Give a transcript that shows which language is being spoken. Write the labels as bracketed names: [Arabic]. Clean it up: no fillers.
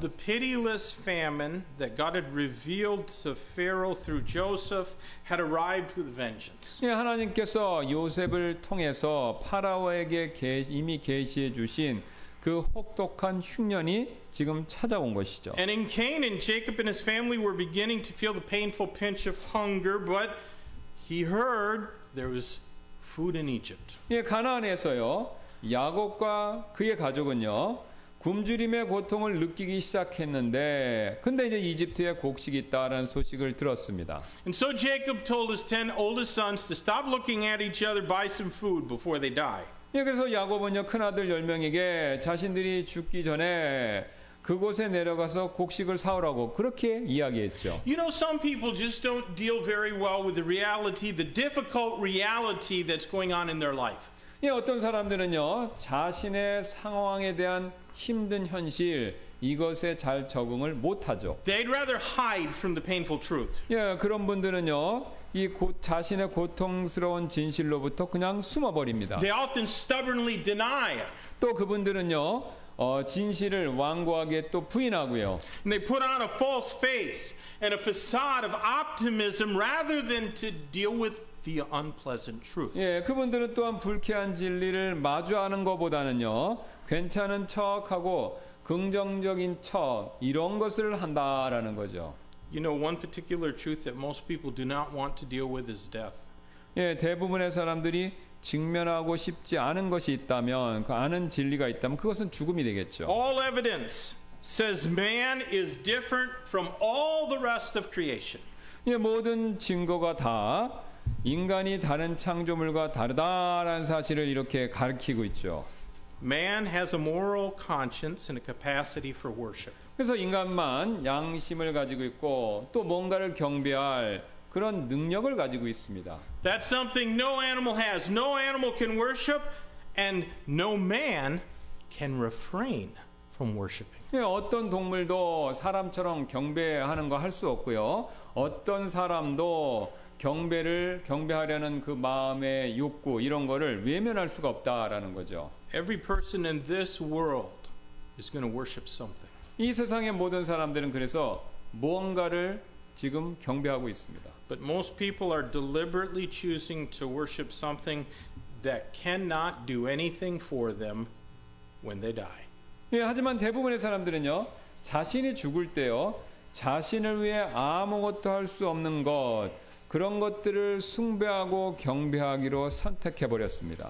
[English] The pitiless famine that God had revealed to Pharaoh through Joseph had arrived with vengeance. [Korean] 예, 하나님께서 요셉을 통해서 파라오에게 이미 계시해 주신 그 혹독한 흉년이 지금 찾아온 것이죠. [English] And in Canaan, Jacob and his family were beginning to feel the painful pinch of hunger, but he heard there was food in Egypt. [Korean] 예, 가나안에서요. 야곱과 그의 가족은요. 굶주림의 고통을 느끼기 시작했는데 근데 이제 이집트에 곡식이 있다라는 소식을 들었습니다. [English] And so Jacob told his 10 oldest sons to stop looking at each other, buy some food before they die. [Korean] 예, 그래서 야곱은요 큰 아들 열 명에게 자신들이 죽기 전에 그곳에 내려가서 곡식을 사오라고 그렇게 이야기했죠. [English] You know, some people just don't deal very well with the reality, the difficult reality that's going on in their life. [Korean] 예, 어떤 사람들은요 자신의 상황에 대한 힘든 현실 이것에 잘 적응을 못하죠. [English] They'd rather hide from the painful truth. [Korean] 예, 그런 분들은요. 이 자신의 고통스러운 진실로부터 그냥 숨어버립니다. [English] They often stubbornly deny it. [Korean] 또 그분들은요, 진실을 완고하게 또 부인하고요. [English] And they put on a false face and a facade of optimism rather than to deal with the unpleasant truth. [Korean] 예, 그분들은 또한 불쾌한 진리를 마주하는 것보다는요, 괜찮은 척하고 긍정적인 척 이런 것을 한다라는 거죠. [English] You know, one particular truth that most people do not want to deal with is death. [Korean] 예, 대부분의 사람들이 직면하고 싶지 않은 것이 있다면, 그 아는 진리가 있다면 그것은 죽음이 되겠죠. [English] All evidence says man is different from all the rest of creation. [Korean] 예, 모든 증거가 다 인간이 다른 창조물과 다르다라는 사실을 이렇게 가르치고 있죠. [English] Man has a moral conscience and a capacity for worship. [Korean] 그래서 인간만 양심을 가지고 있고 또 뭔가를 경배할 그런 능력을 가지고 있습니다. [English] That's something no animal has. No animal can worship and no man can refrain from worshiping. [Korean] 예, 어떤 동물도 사람처럼 경배하는 거 할 수 없고요. 어떤 사람도 경배하려는 그 마음의 욕구 이런 거를 외면할 수가 없다라는 거죠. [English] Every person in this world is going to worship something. [Korean] 이 세상의 모든 사람들은 그래서 무언가를 지금 경배하고 있습니다. [English] But most people are deliberately choosing to worship something that cannot do anything for them when they die. [Korean] 예, 하지만 대부분의 사람들은요. 자신이 죽을 때요. 자신을 위해 아무것도 할 수 없는 것 그런 것들을 숭배하고 경배하기로 선택해 버렸습니다.